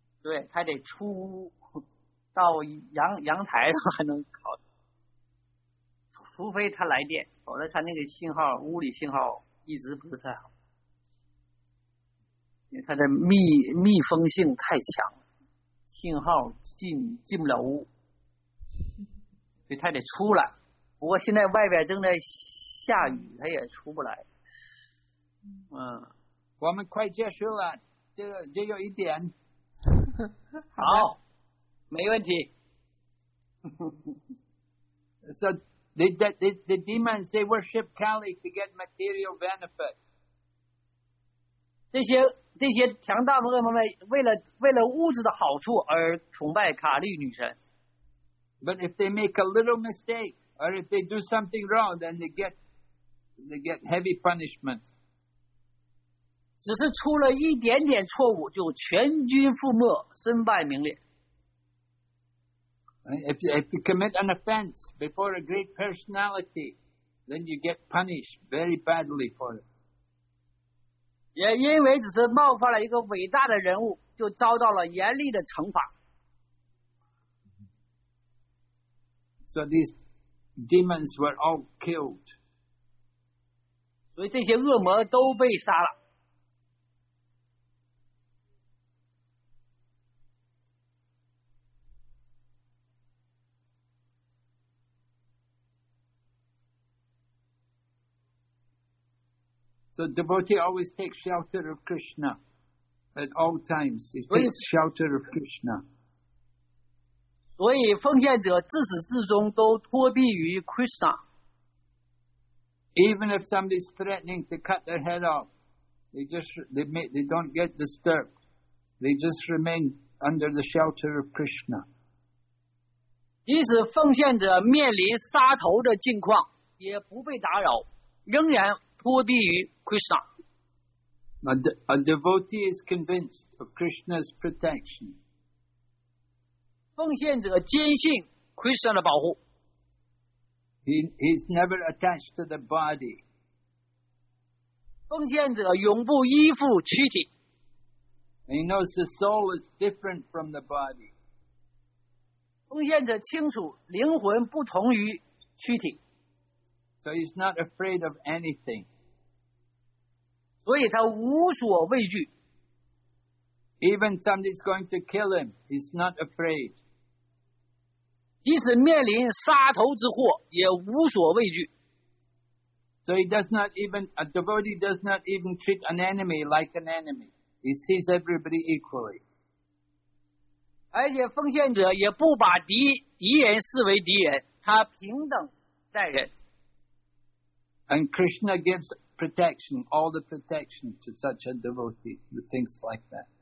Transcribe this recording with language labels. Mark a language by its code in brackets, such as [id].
[zh] 对，他得出到阳台上还能考，除非他来电，否则他那个信号屋里信号一直不是太好，因为他的密封性太强，信号进不了屋，所以他得出来。不过现在外边正在下雨，他也出不来。嗯，我们快结束了，这有一点。好，没问题。 [en] So the demons they worship Kali to get material benefit. [zh] 这些强大的恶魔们为了物质的好处而崇拜卡利女神。 [en] But if they make a little mistake or if they do something wrong, then they get heavy punishment. [zh] 只是出了一点点错误就全军覆没身败名裂。 [en] If you commit an offense before a great personality, then you get punished very badly for it. [zh] 也因为只是冒犯了一个伟大的人物就遭到了严厉的惩罚。 [en] So these demons were all killed. [zh] 所以这些恶魔都被杀了。 [en] So devotee always takes shelter of Krishna at all times. He takes shelter of Krishna. [zh] 所以奉献者自始至终都托庇于 Krishna. [en] Even if somebody's threatening to cut their head off, they don't get disturbed. They just remain under the shelter of Krishna. [zh] 即使奉献者面临杀头的境况，也不被打扰，仍然。托庇于 Krishna. [en] A devotee is convinced of Krishna's protection. [zh] 奉献者坚信 Krishna 的保护。 [en] He is never attached to the body. [zh] 奉献者永不依附躯体。 [en] He knows the soul is different from the body. [zh] 奉献者清楚灵魂不同于躯体。 [en] So he's not afraid of anything. [zh] 所以他无所畏惧。 [en] Even somebody's going to kill him, he's not afraid. [zh] 即使面临杀头之祸，也无所畏惧。 [en] So he does not even, a devotee does not even treat an enemy like an enemy. He sees everybody equally. [zh] 而且奉献者也不把敌人视为敌人，他平等待人。 [en] And Krishna gives. Protection, all the protection to such a devotee who thinks like that.